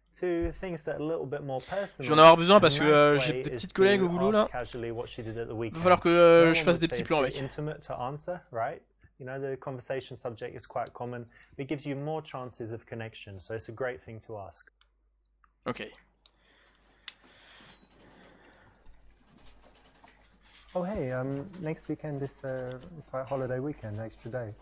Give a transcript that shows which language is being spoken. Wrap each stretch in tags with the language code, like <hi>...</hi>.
<en>To things that are a little bit more personal.</en> <fr>J'en avoir besoin parce que j'ai des petites collègues au boulot là. Il va falloir que je fasse des petits plans avec.</fr> <en>Intimate to answer, right? You know the conversation subject is quite common, but it gives you more chances of connection, so it's a great thing to ask. OK. Oh hey, next weekend is it's like holiday weekend, extra day.</en>